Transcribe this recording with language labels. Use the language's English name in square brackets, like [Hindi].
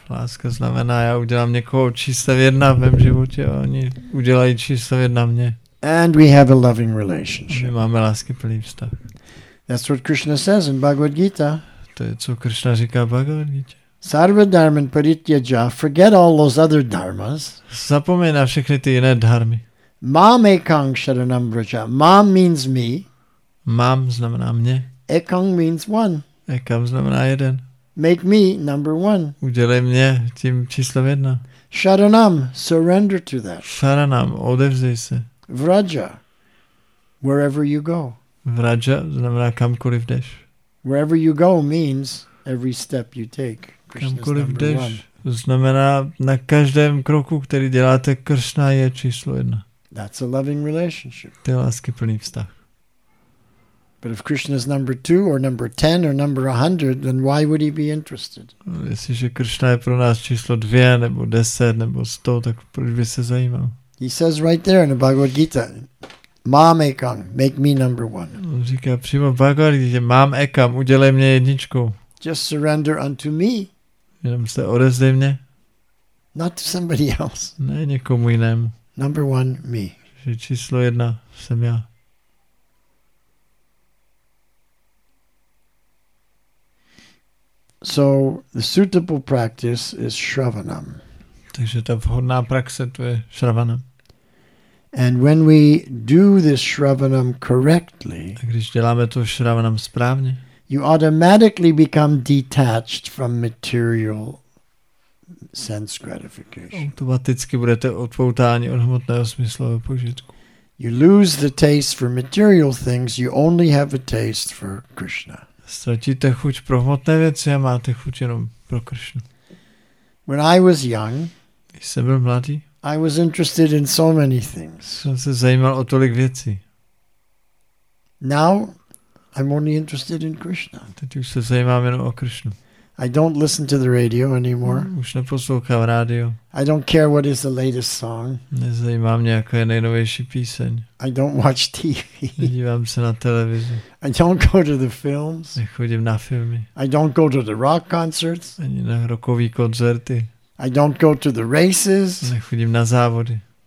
[Czech] Láska znamená, já udělám někoho číslo jedna v mém životě a oni udělají číslo jedna mě. [English] And we have a loving relationship. [Czech] My máme láskyplný vztah. [English] That's what Krishna says in Bhagavad Gita. [Czech] To je, co Krishna říká v Bhagavad Gita. [Sanskrit] Sarva dharman parityaja, [English] forget all those other dharmas. [Czech] Zapomeň na všechny ty jiné dharmy. [Sanskrit] Mam ekang sharanam braja. [English] Mam means me. [Czech] Mam znamená mě. [English] Ekang means one. [Czech] Ekam znamená jeden. [English] Make me number one. [Czech] Udělej mě tím číslem jedna. [English] Sharanam, surrender to that. [Czech] Sharanam, odevzdej se. [English] Vraja, wherever you go. [Czech] Vraja znamená kamkoliv jdeš. [English] Wherever you go means every step you take. [Czech] Kamkoliv jdeš znamená na každém kroku, který děláte, Krishna je číslo jedna. [English] That's a loving relationship. [Czech] To je láskyplný vztah. [English] But if Krishna is number two or number 10 or number 100, then why would he be interested? [Czech] Jestliže Krishna je pro nás číslo dvě nebo 10 nebo 100, tak proč by se zajímal? [English] He says right there in the Bhagavad Gita, "Mam ekam, make me number one." [Czech] On říká přímo v Bhagavad Gita, "Mam ekam, udělej mě jedničkou." [English] Just surrender unto me. [Czech] Jenom se odevzdej mě. [English] Not to somebody else. [Czech] Ne někomu jinému. [English] Number one, me. [Czech] Že číslo jedna jsem já. [English] So the suitable practice is shravanam. [Czech] Takže ta vhodná praxe to je shravanam. [English] And when we do this shravanam correctly, [Czech] a když děláme to shravanam správně, [English] you automatically become detached from material sense gratification. [Czech] Automaticky budete odpoutáni od hmotného smyslového požitku. [English] You lose the taste for material things, you only have a taste for Krishna. [Czech] Ztratíte chuť pro hmotné věci a máte chuť jenom pro Krishnu. [English] When I was young, [Czech] když jsem byl mladý, [English] I was interested in so many things. [Czech] Jsem se zajímal o tolik věcí. [English] Now I'm only interested in Krishna. [Czech] Teď už se zajímám jenom o Krishnu. [English] I don't listen to the radio anymore. [Czech] Už neposlouchám rádio. [English] I don't care what is the latest song. [Czech] Nezajímá mě, jaká je nejnovější píseň. [English] I don't watch TV. [Czech] Nedívám se na televizi. [English] I don't go to the films. [Czech] Nechodím na filmy. [English] I don't go to the rock concerts. [Czech] Ani na rockový koncerty. [English] I don't go to the races. [Czech] Nechodím na závody.